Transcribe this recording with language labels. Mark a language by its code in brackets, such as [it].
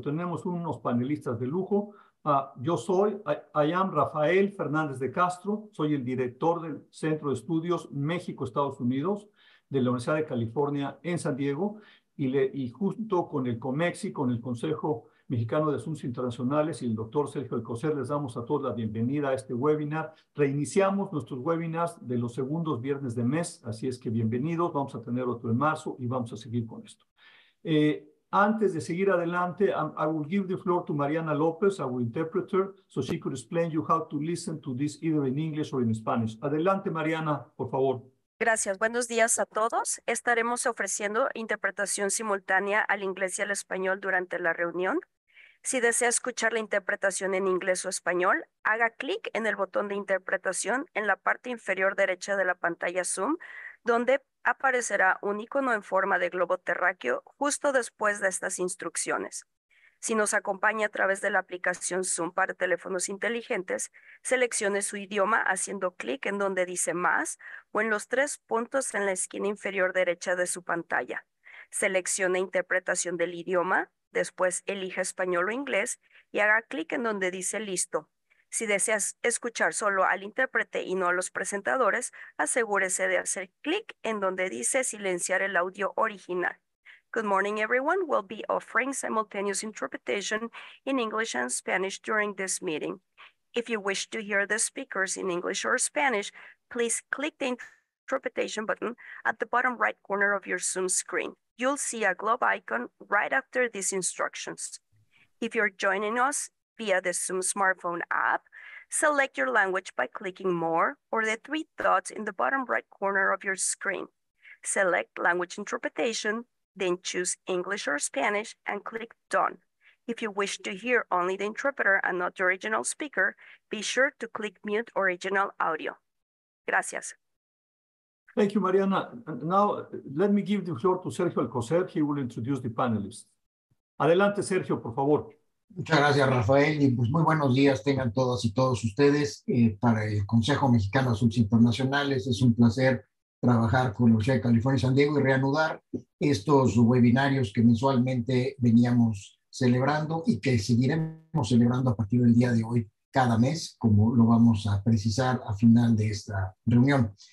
[es] Tenemos unos panelistas de lujo. [en] I am [es] Rafael Fernández de Castro, soy el director del Centro de Estudios México-Estados Unidos de la Universidad de California en San Diego y junto con el COMEXI, con el Consejo Mexicano de Asuntos Internacionales y el doctor Sergio Alcocer, les damos a todos la bienvenida a este webinar. Reiniciamos nuestros webinars de los segundos viernes de mes, así es que bienvenidos, vamos a tener otro en marzo y vamos a seguir con esto. Antes de seguir adelante, [en] I will give the floor to Mariana López, our interpreter, so she could explain you how to listen to this either in English or in Spanish. [es] Adelante, Mariana, por favor. Gracias. Buenos días a todos. Estaremos ofreciendo interpretación simultánea al inglés y al español durante la reunión. Si desea escuchar la interpretación en inglés o español, haga clic en el botón de interpretación en la parte inferior derecha de la pantalla Zoom, donde aparecerá un icono en forma de globo terráqueo justo después de estas instrucciones. Si nos acompaña a través de la aplicación Zoom para teléfonos inteligentes, seleccione su idioma haciendo clic en donde dice Más o en los tres puntos en la esquina inferior derecha de su pantalla. Seleccione Interpretación del idioma, después elija Español o Inglés y haga clic en donde dice Listo. Si deseas escuchar solo al intérprete y no a los presentadores, asegúrese de hacer clic en donde dice Silenciar el audio original. [en] Good morning, everyone. We'll be offering simultaneous interpretation in English and Spanish during this meeting. If you wish to hear the speakers in English or Spanish, please click the interpretation button at the bottom right corner of your Zoom screen. You'll see a globe icon right after these instructions. If you're joining us via the Zoom smartphone app, select your language by clicking More or the three dots in the bottom right corner of your screen. Select Language Interpretation, then choose English or Spanish and click Done. If you wish to hear only the interpreter and not the original speaker, be sure to click Mute Original Audio. [es] Gracias. [en] Thank you, Mariana. Now, let me give the floor to Sergio Alcocer. He will introduce the panelists. [es] Adelante, Sergio, por favor. Muchas gracias, Rafael. Y pues muy buenos días tengan todas y todos ustedes. Para el Consejo Mexicano de Asuntos Internacionales es un placer trabajar con la Universidad de California y San Diego y reanudar estos webinarios que mensualmente veníamos celebrando y que seguiremos celebrando a partir del día de hoy cada mes, como lo vamos a precisar a final de esta reunión.